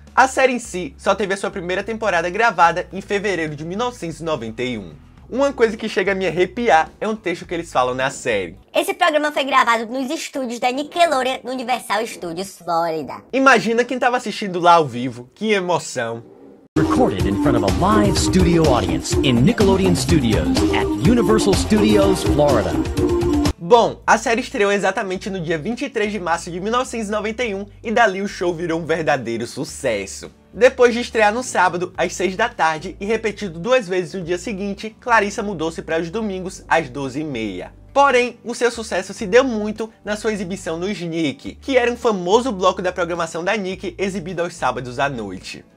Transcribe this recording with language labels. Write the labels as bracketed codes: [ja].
[pt] A série em si só teve a sua primeira temporada gravada em fevereiro de 1991. Uma coisa que chega a me arrepiar é um texto que eles falam na série. Esse programa foi gravado nos estúdios da Nickelodeon, no Universal Studios, Flórida. Imagina quem tava assistindo lá ao vivo, que emoção. [en] Recorded in front of a live studio audience in Nickelodeon Studios at Universal Studios, Florida. [pt] Bom, a série estreou exatamente no dia 23 de março de 1991 e dali o show virou um verdadeiro sucesso. Depois de estrear no sábado, às 6 da tarde, e repetido 2 vezes no dia seguinte, Clarissa mudou-se para os domingos, às 12h30. Porém, o seu sucesso se deu muito na sua exibição no SNICK, que era um famoso bloco da programação da Nick exibido aos sábados à noite.